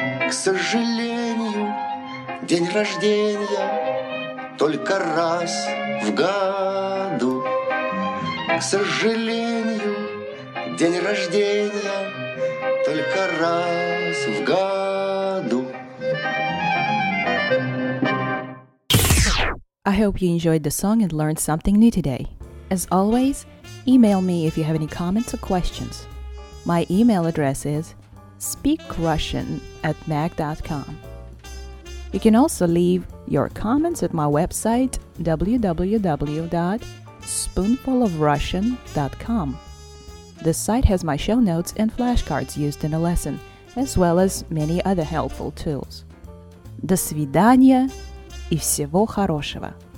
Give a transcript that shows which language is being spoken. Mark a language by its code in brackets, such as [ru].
[ru] К сожалению, день рождения только раз в году. К сожалению, день рождения только раз в году. [en] I hope you enjoyed the song and learned something new today. As always, email me if you have any comments or questions. My email address is speakrussian@mag.com. You can also leave your comments at my website www.spoonfulofrussian.com. This site has my show notes and flashcards used in a lesson, as well as many other helpful tools. [ru] До свидания и всего хорошего.